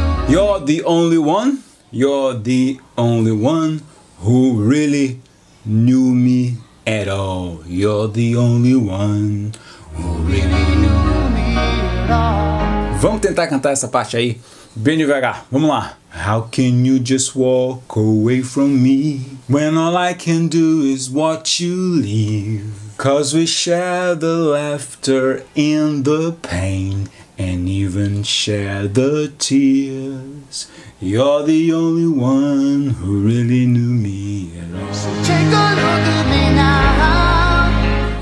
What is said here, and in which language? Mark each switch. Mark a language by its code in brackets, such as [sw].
[en] You're the only one, you're the only one who really knew me at all. You're the only one who really knew me at all. [pt] Vamos tentar cantar essa parte aí, bem devagar, vamos lá. [en] How can you just walk away from me when all I can do is watch you leave? 'Cause we share the laughter and the pain, and even share the tears. You're the only one who really knew me at all.